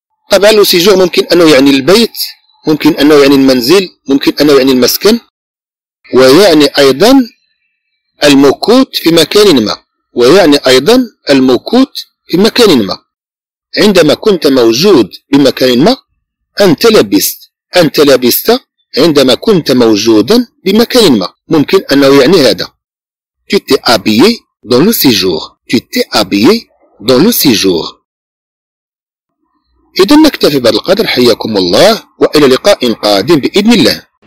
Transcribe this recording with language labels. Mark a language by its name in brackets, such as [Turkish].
[Arabic] طبعا لو سيجور ممكن انه يعني البيت، ممكن انه يعني المنزل، ممكن انه يعني المسكن، ويعني ايضا المكوت في مكان ما، ويعني ايضا المكوت في مكان ما. عندما كنت موجود بمكان ما انت لابست، انت لابست عندما كنت موجودا بمكان ما، ممكن انه يعني هذا. [French] Tu t'es habillé dans le séjour. Tu t'es habillé dans le séjour. [Arabic] إذن نكتفي بهذا القدر، حياكم الله وإلى لقاء قادم بإذن الله.